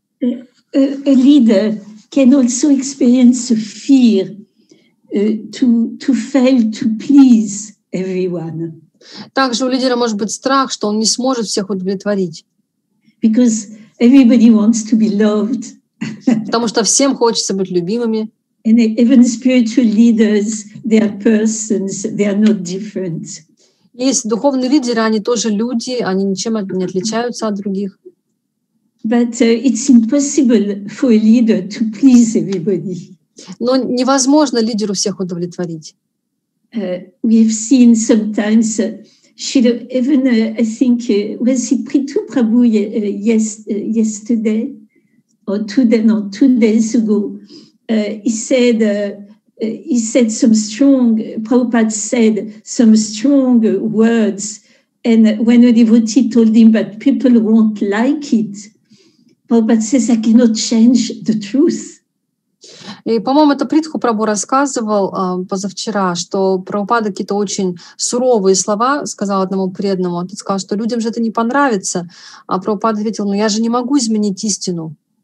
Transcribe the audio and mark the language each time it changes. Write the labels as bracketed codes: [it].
[en] A leader can also experience a fear to fail to please everyone. [ru] Также у лидера может быть страх, что он не сможет всех удовлетворить. [en] Because everybody wants to be loved. [ru] Потому что всем хочется быть любимыми. [en] And even spiritual leaders, they are persons, they are not different. [ru] Есть духовные лидеры, они тоже люди, они ничем не отличаются от других. [en] But it's impossible for a leader to please everybody. [ru] Но невозможно лидеру всех удовлетворить. [en] We have seen sometimes, was it Prithu Prabhu yesterday or two days ago? He said some strong, Prabhupada said some strong words, and when a devotee told him, but people won't like it, Prabhupada says, I cannot change the truth. [ru] И, по-моему, это Притху Прабху рассказывал позавчера, что Прабхупада какие-то очень суровые слова сказал одному преданному. Он сказал, что людям же это не понравится. А Прабхупада ответил, ну я же не могу изменить истину.